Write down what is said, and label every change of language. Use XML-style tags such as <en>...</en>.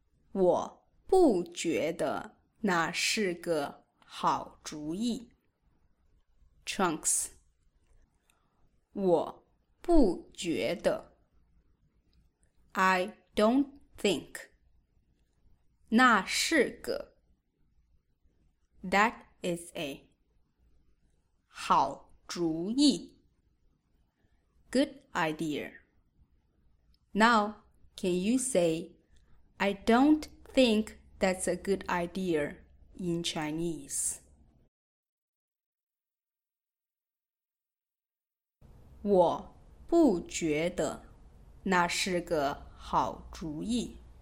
<zh>我不觉得那是个好主意。</zh> <en>Trunks.</en> <zh>我不觉得</zh> <en>I don't think</en> <zh>那是个</zh> <en>That is a</en> <zh>好主意</zh> <en>Good idea Now, can you say I don't think that's a good idea in Chinese?</en> <zh>我不觉得那是个好主意。</zh>